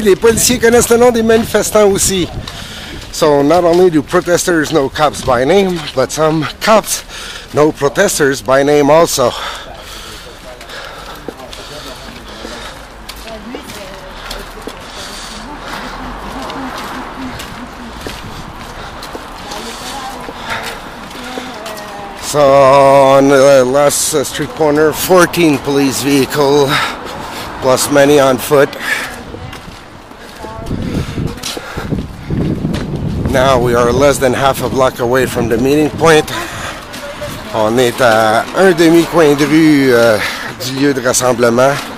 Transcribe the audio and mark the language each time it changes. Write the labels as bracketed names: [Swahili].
[French] Les policiers connaissent le nom des manifestants aussi. [English] So not only do protesters know cops by name, but some cops know protesters by name also. So, on the last street corner, 14 police vehicles, plus many on foot. Now we are less than half a block away from the meeting point. [French] On est à un demi coin de rue du lieu de rassemblement.